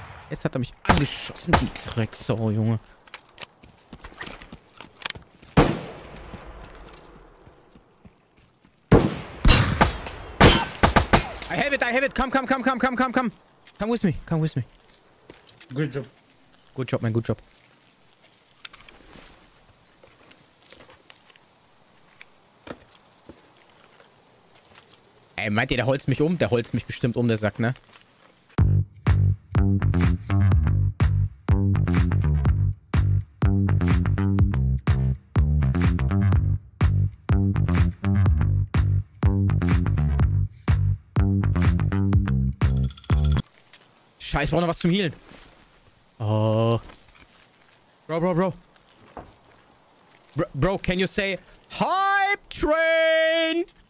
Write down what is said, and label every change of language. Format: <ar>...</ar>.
<de>Jetzt hat er mich angeschossen, die Drecksau, Junge.</de> <en>I have it, come, come, come, come, come, come, come. Come with me, come with me. Good job. Good job, man, good job.</en> <de>Ey, meint ihr, der holzt mich um? Der holzt mich bestimmt um, der Sack, ne? Scheiß, brauch noch was zum Healen.</de> <en>Oh. Bro, bro, bro. Bro, can you say Hype Train?</en>